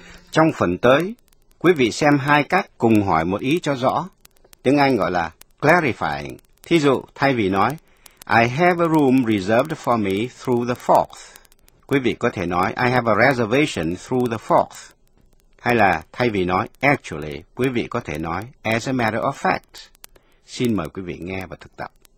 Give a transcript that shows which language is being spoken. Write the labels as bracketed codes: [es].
[vi] Trong phần tới, quý vị xem hai cách cùng hỏi một ý cho rõ. Tiếng Anh gọi là clarifying. Thí dụ, thay vì nói, [en] I have a room reserved for me through the 4th. [vi] Quý vị có thể nói, [en] I have a reservation through the 4th. [vi] Hay là, thay vì nói, actually, quý vị có thể nói, [en] as a matter of fact. [vi] Xin mời quý vị nghe và thực tập.